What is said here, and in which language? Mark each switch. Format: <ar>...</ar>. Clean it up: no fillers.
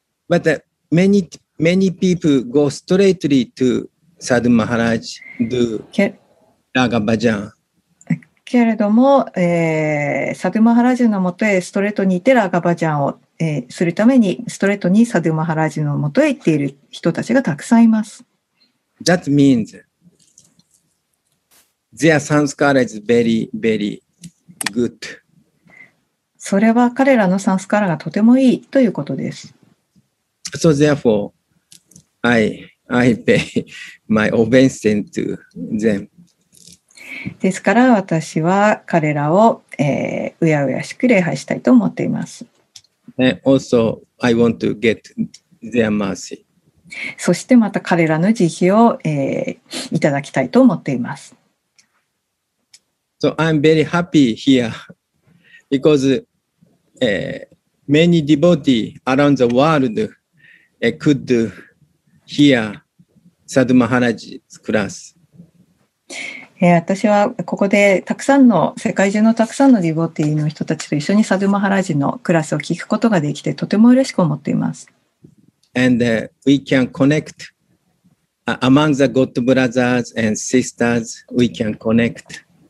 <en>But many people go straightly to サドゥマハラジ do ラガバジャン。</en> <ja>けれども、サドゥマハラジのもとへストレートにいてラガバジャンを、するためにストレートにサドゥマハラジのもとへ行っている人たちがたくさんいます。</ja> <en>That means their sanskara is very, very good.</en> <ja>それは彼らのサンスカラがとてもいいということです。</ja> <en>So therefore, I pay my obeisance to them.</en> <ja>ですから私は彼らを、うやうやしく礼拝したいと思っています。</ja> <en>And also, I want to get their mercy.</en> <ja>そしてまた彼らの慈悲を、いただきたいと思っています。</ja> <en>So I'm very happy here because、many devotees around the world、could hear Sadhu Maharaj's class.</en> <ja>私はここでたくさんの世界中のたくさんのディボティの人たちと一緒にサドゥマハラジのクラスを聞くことができてとても嬉しく思っています。</ja> <en>And、we can connect、among the God brothers and sisters, we can connect.</en>